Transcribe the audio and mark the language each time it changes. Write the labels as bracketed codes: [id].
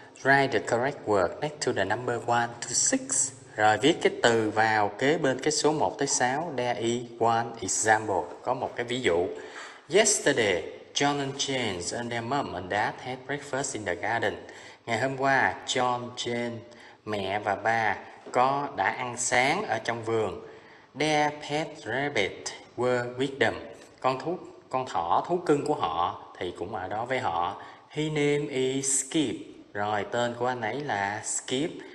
[en] Write the correct word next to the number 1 to 6. [vi] Rồi, viết cái từ vào kế bên cái số 1 tới 6. [en] There is one example. [vi] Có một cái ví dụ. [en] Yesterday, John and James and their mom and dad had breakfast in the garden. [vi] Ngày hôm qua, John, Jane, mẹ và ba có đã ăn sáng ở trong vườn. [en] Their pet rabbit were with them. [vi] Con thỏ thú cưng của họ thì cũng ở đó với họ. [en] His name is Skip. [vi] Rồi, tên của anh ấy là Skip.